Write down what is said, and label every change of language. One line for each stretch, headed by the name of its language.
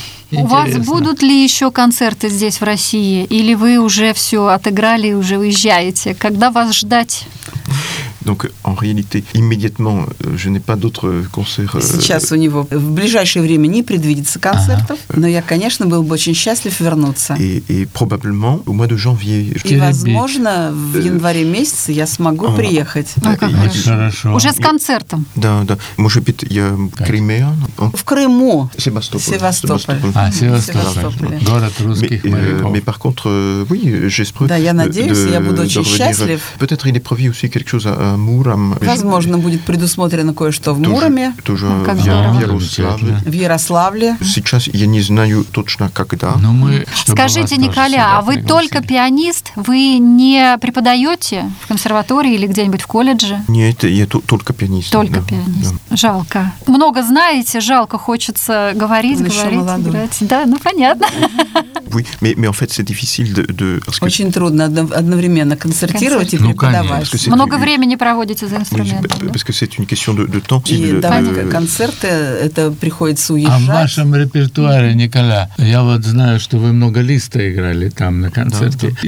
Russian: У вас будут ли еще концерты здесь, в России? Или вы уже все отыграли и уже уезжаете? Когда вас ждать?
French: Donc en réalité, immédiatement, je n'ai pas d'autres concerts.
Russian: Сейчас у него в ближайшее время не предвидится концертов, но я, конечно, был бы очень счастлив вернуться.
French: Et probablement au mois de janvier.
Russian: И возможно, в январе месяце я смогу приехать. Ну, как хорошо. Уже с концертом. Да, да. Может быть, я в Крыме. В Крыму. Севастополь. Севастополь. А, Севастополь. Город русских моряков.
French: Mais par contre, oui, j'espère.
Russian: Да, я надеюсь, я буду очень счастлив.
French: Peut-être il est prévu aussi quelque chose.
Russian: Муром. Возможно, будет предусмотрено кое-что в Муроме. Тоже, тоже в Ярославле. В Ярославле. Сейчас я не знаю точно, когда. Но мы, скажите, Николя, а вы только пианист? Вы не преподаете в консерватории или где-нибудь в колледже? Нет, я только пианист. Только, да, пианист. Да. Жалко. Много знаете, жалко, хочется говорить, он говорить, играть. Да, ну понятно.
French: Oui, mais en fait, c'est difficile de...
Russian: Очень трудно одновременно концертировать и преподавать. Ну, много времени проводите за инструментом. Да? И давать концерты, это приходится уезжать. А в вашем репертуаре, Николя, я вот знаю, что вы много листа играли там на концерте. Да, да.